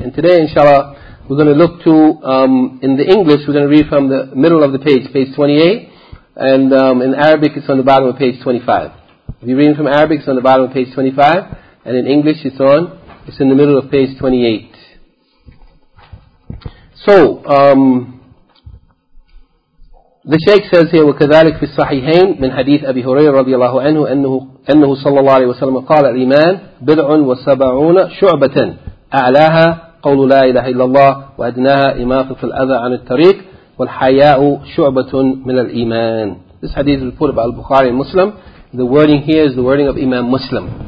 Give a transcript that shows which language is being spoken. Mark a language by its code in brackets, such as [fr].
[en] And today, inshallah, we're going to look to, in the English, we're going to read from the middle of the page, page 28. And in Arabic, it's on the bottom of page 25. If you're reading from Arabic, it's on the bottom of page 25. And in English, it's in the middle of page 28. So, the Shaykh says here, [ar] وَكَذَلِكْ فِي الصَّحِيحَيْنِ مِنْ حَدِيثِ أَبِي هُرَيْرَ رَضِيَ اللَّهُ عَنْهُ أَنَّهُ صَلَّى اللَّهُ عَلَيْهِ وَسَلَّمَ قَالَ الْإِيمَانِ بِضْعٌ وَسَبْعُونَ شُعْبَةً أَعْلَاهَا قَوْلُ لَا إِلَهَ إِلَّا اللَّهُ وَأَدْنَاهَا إِمَاطَةُ الْأَذَى عَنِ الطَّرِيقِ وَالْحَيَاءُ شُعْبَةٌ مِنَ الْإِيمَانِ. [en] This hadith is reported by Al-Bukhari and Muslim. The wording here is the wording of Imam Muslim.